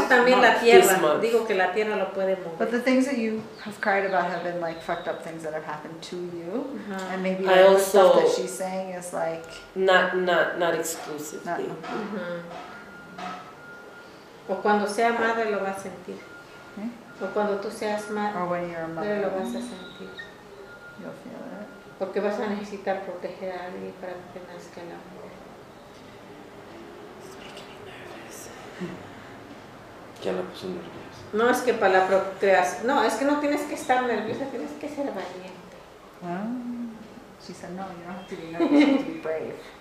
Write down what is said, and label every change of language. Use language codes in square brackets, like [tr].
[en] But the things that you have cried about have been like fucked up things that have happened to you, uh-huh. And maybe I also, stuff that she's saying is like not exclusively. Not, [es] uh-huh. O cuando sea madre lo vas a sentir. O cuando tú seas madre. [en] Or when you're a mother. [es] Lo vas a sentir. [en] You'll feel it. [es] Porque vas a necesitar proteger a alguien para que nazca el amor. Ya la puse nerviosa. No, es que para la procreación. No, es que no tienes que estar nerviosa, tienes que ser valiente. [en] She said, no, you don't have to be nervous, you have to be brave.